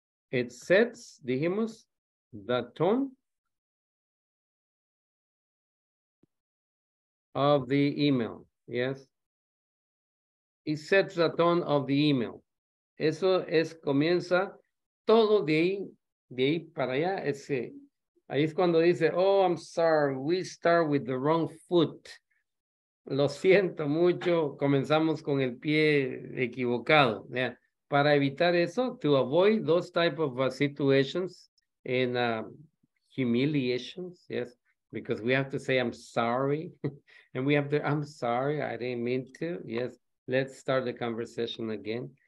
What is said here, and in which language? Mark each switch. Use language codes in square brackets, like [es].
[en] It sets, [es] dijimos, [en] the tone of the email, yes. It sets the tone of the email. [es] Eso es, comienza todo de ahí para allá. Ese, ahí es cuando dice, [en] oh, I'm sorry, we start with the wrong foot. [es] Lo siento mucho, comenzamos con el pie equivocado, yeah. Para evitar eso, [en] to avoid those type of situations and humiliations, yes, because we have to say, I'm sorry, and we have to, I'm sorry, I didn't mean to, yes, let's start the conversation again.